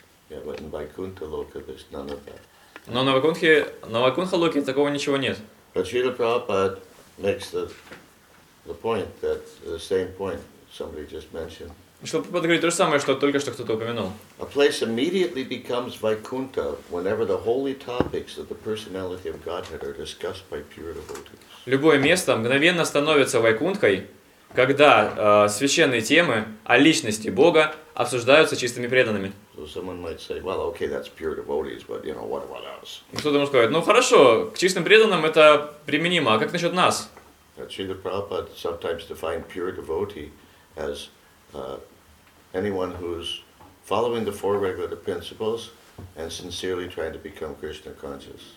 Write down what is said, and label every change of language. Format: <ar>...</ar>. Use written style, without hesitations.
<en>Yeah, but in Vaikuntha Loka, there's none of that.</en> <ru>Но на Вайкунтхе, на Вайкунтха Локе такого ничего нет.</ru> <en>But Srila Prabhupada makes the point that the same point somebody just mentioned.</en> <ru>Шрила Прабхупада говорит то же самое, что только что кто-то упомянул.</ru> <en>A place immediately becomes Vaikuntha whenever the holy topics of the personality of Godhead are discussed by pure devotees.</en> <ru>Любое место мгновенно становится Вайкунтхой, когда священные темы о личности Бога обсуждаются чистыми преданными.</ru> <en>So someone might say, well, okay, that's pure devotees, but you know what about us?</en> <ru>Кто-то может сказать, ну хорошо, к чистым преданным это применимо, а как насчет нас?</ru> <en>Шрила Прабхупада sometimes defined pure devotee as anyone who's following the four regulative principles and sincerely trying to become Krishna conscious.</en>